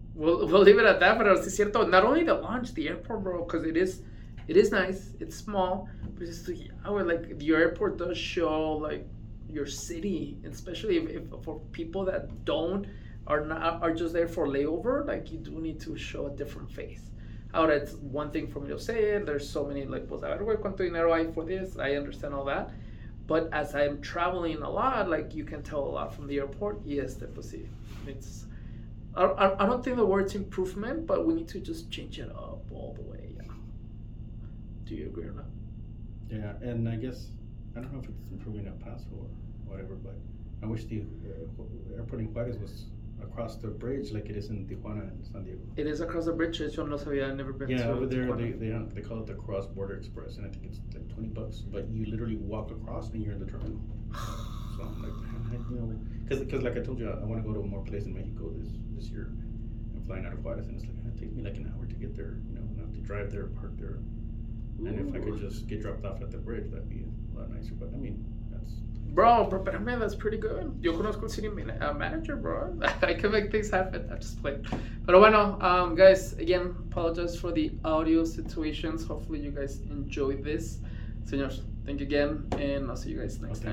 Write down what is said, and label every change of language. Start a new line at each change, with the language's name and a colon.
English: We'll leave it at that,
Spanish: pero si es cierto,
English: not only the lounge, the airport, bro, because it is nice. It's small, but it's like, I would like, your airport does show, like, your city, especially if for people that don't are just there for layover, like, you do need to show a different face.
Spanish: Ahora,
English: it's one thing for me to say it. There's so many, like,
Spanish: pues, a ver, güey, ¿cuánto dinero hay
English: for this? I understand all that. But as I'm traveling a lot, like, you can tell a lot from the airport. Yes,
Spanish: de pues, sí.
English: It's, I don't think the word's improvement, but we need to just change it up all the way. Yeah. Do you agree or not? Yeah, and I guess, I don't know if it's improving El Paso or whatever, but I wish the airport in Juarez was across the bridge like it is in Tijuana and San Diego. It is across the bridge.
Spanish: Yo no sabía,
English: I've never been yeah, to Yeah, over there, they call it the Cross Border Express, and I think it's like $20, but you literally walk across and you're in the terminal. So I'm like, man, I know. Because like I told you, I want to go to more places in Mexico this year. I'm flying out of Juarez, and it's like, it takes me like an hour to get there, you know, and I have to drive there, park there. Ooh. And if I could just get dropped off at the bridge, that'd be a lot nicer. But I mean, Bro, man, that's pretty good.
Spanish: Yo conozco el city manager, bro.
English: I can make things happen. I just play. But
Spanish: bueno,
English: guys, again, apologize for the audio situations. Hopefully you guys enjoy this.
Spanish: Señores,
English: thank you again, and I'll see you guys next time.